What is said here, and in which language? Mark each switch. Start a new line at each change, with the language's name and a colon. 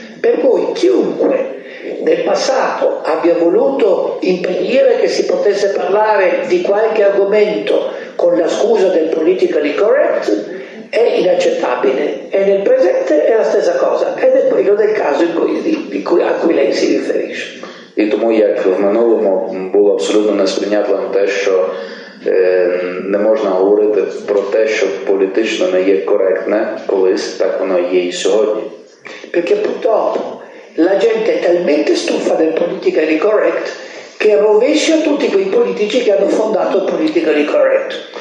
Italian: Per cui chiunque nel passato abbia voluto impedire che si potesse parlare di qualche argomento con la scusa del politically correct, è inaccettabile. E nel presente è la stessa cosa, ed è quello del caso a cui lei si riferisce.
Ukrainian: І тому, як в минулому, було абсолютно несприйнятливим те, що не можна говорити про те, що політично не є коректне колись, так воно є і сьогодні.
Italian: Perché purtroppo la gente è talmente stufa del politically correct che rovescia tutti quei politici che hanno fondato il politically correct.